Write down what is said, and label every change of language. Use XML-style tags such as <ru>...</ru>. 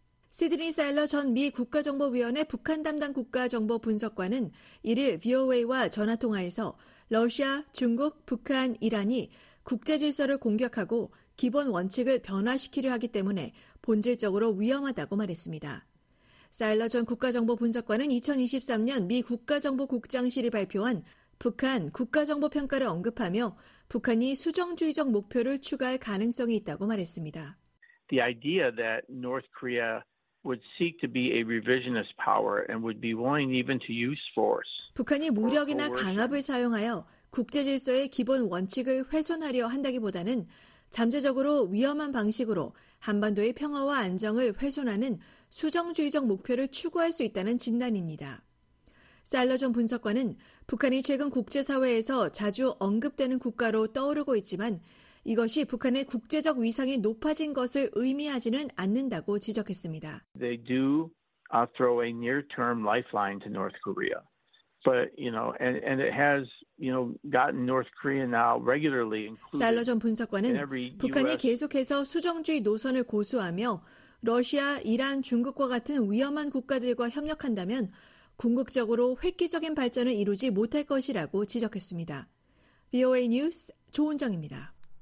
<ko>시드니 사일러 전 미 국가정보위원회 북한 담당 국가정보분석관은 1일 VOA와 전화통화에서 러시아, 중국, 북한, 이란이 국제질서를 공격하고 기본 원칙을 변화시키려 하기 때문에 본질적으로 위험하다고 말했습니다. 사일러 전 국가정보분석관은 2023년 미 국가정보국장실이 발표한 북한 국가정보평가를 언급하며 북한이 수정주의적 목표를 추가할 가능성이 있다고 말했습니다.</ko> <en>The idea that North Korea would seek to be a revisionist power and would be willing even to use force.</en> <ko>북한이 무력이나 강압을 사용하여 국제 질서의 기본 원칙을 훼손하려 한다기보다는 잠재적으로 위험한 방식으로 한반도의 평화와 안정을 훼손하는 수정주의적 목표를 추구할 수 있다는 진단입니다. 사일러 전 분석관은 북한이 최근 국제사회에서 자주 언급되는 국가로 떠오르고 있지만 이것이 북한의 국제적 위상이 높아진 것을 의미하지는 않는다고 지적했습니다.</ko> <en>They do throw a near-term lifeline to North Korea. But, you know, and it has, you know, gotten North Korea now regularly included.</en> <ko>사일러 전 분석관은 북한이 계속해서 수정주의 노선을 고수하며 러시아, 이란, 중국과 같은 위험한 국가들과 협력한다면 궁극적으로 획기적인 발전을 이루지 못할 것이라고 지적했습니다. VOA 뉴스 조은정입니다.</ko>